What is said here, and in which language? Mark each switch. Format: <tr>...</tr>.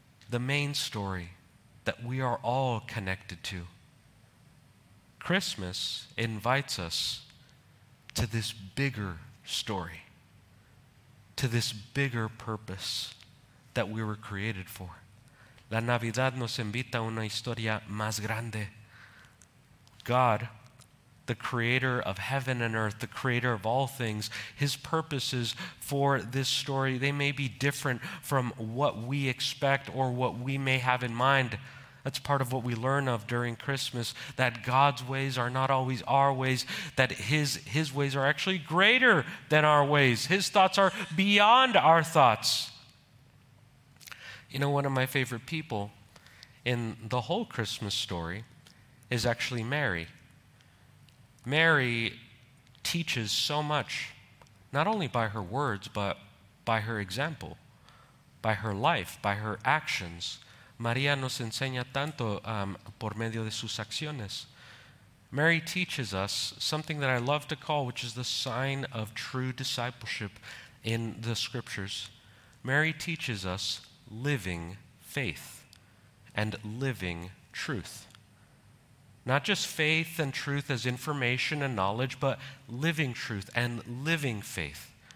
<en>The main story that we are all connected to. Christmas invites us to this bigger story, to this bigger purpose that we were created for.</en> <es>La Navidad nos invita a una historia más grande.</es> <en>God, the creator of heaven and earth, the creator of all things, His purposes for this story, they may be different from what we expect or what we may have in mind. That's part of what we learn of during Christmas, that God's ways are not always our ways, that his ways are actually greater than our ways. His thoughts are beyond our thoughts. You know, one of my favorite people in the whole Christmas story is actually Mary. Mary teaches so much, not only by her words, but by her example, by her life, by her actions.</en> <es>María nos enseña tanto por medio de sus acciones.</es> <en>Mary teaches us something that I love to call, which is the sign of true discipleship in the scriptures. Mary teaches us living faith and living truth. Not just faith and truth as information and knowledge, but living truth and living faith.</en>